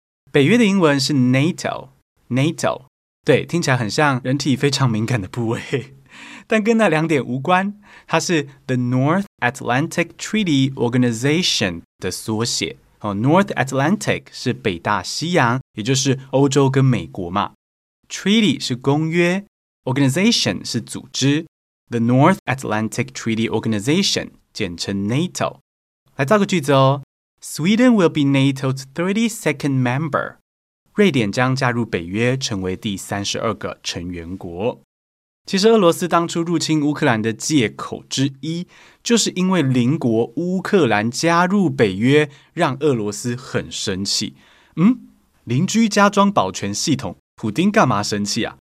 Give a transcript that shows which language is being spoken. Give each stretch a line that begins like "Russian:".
Chinese: 北约的英文是 NATO， 对，听起来很像人体非常敏感的部位，但跟那两点无关，它是
English: The North Atlantic Treaty Organization
Chinese: 的缩写。 North Atlantic 是北大西洋，也就是欧洲跟美国嘛。 Treaty 是公约， Organization 是组织，
English: The North Atlantic Treaty Organization,
Chinese: 简称 NATO. 来造个句子哦。
English: Sweden will be NATO's 32nd member.
Chinese: 瑞典将加入北约，成为第32个成员国。其实俄罗斯当初入侵乌克兰的借口之一，就是因为邻国乌克兰加入北约，让俄罗斯很生气。邻居加装保全系统，普丁干嘛生气啊？